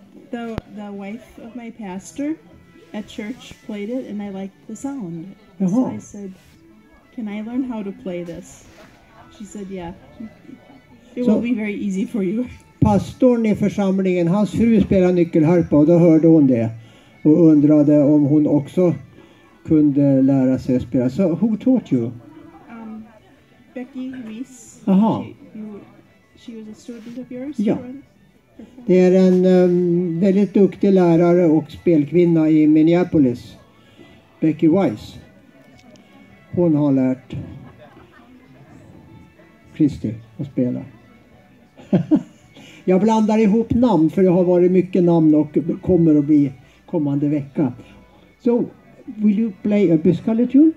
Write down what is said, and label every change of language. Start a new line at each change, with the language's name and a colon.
English: The wife of my pastor at church played it, and I liked the sound. Uh-huh. So I said, "Can I learn how to play this?" She said, "Yeah, it will be very easy for you."
Swedish: Pastorn i församlingen, hans fru spelar nyckelharpa och då hörde hon det och undrade om hon också kunde lära sig att spela.
English: So, who taught you? Becky Reese. Aha. She was a student of yours?
Swedish: Ja. Det är en väldigt duktig lärare och spelkvinna i Minneapolis. Becky Weiss. Hon har lärt Christy att spela. Jag blandar ihop namn för det har varit mycket namn och kommer att bli kommande vecka.
English: So, will you play a Biscala tune?